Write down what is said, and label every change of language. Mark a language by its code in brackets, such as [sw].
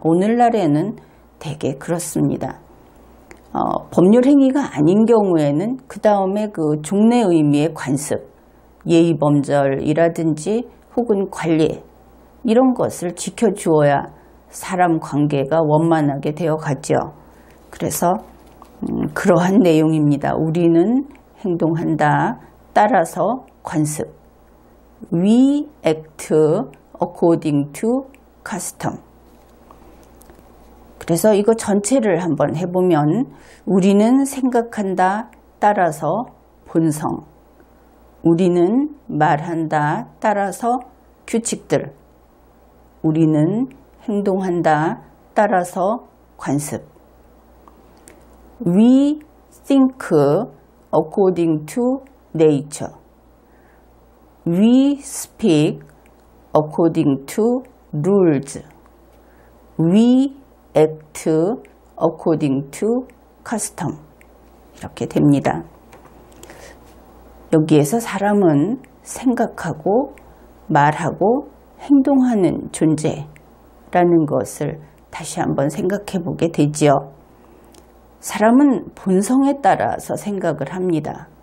[ko] 오늘날에는 되게 그렇습니다. 법률 행위가 아닌 경우에는 그 다음에 그 종래 의미의 관습, 예의범절이라든지 혹은 관례, 이런 것을 지켜주어야 사람 관계가 원만하게 되어 가죠. 그래서 그러한 내용입니다. 우리는 행동한다. 따라서 관습. [en] We act according to custom. [ko] 그래서 이거 전체를 한번 해보면 우리는 생각한다. 따라서 본성. 우리는 말한다. 따라서 규칙들. 우리는 행동한다. 따라서 관습. [en] We think according to nature. We speak according to rules. We act according to custom. [ko] 이렇게 됩니다. 여기에서 사람은 생각하고 말하고 행동하는 존재. 라는 것을 다시 한번 생각해 보게 되지요. 사람은 본성에 따라서 생각을 합니다.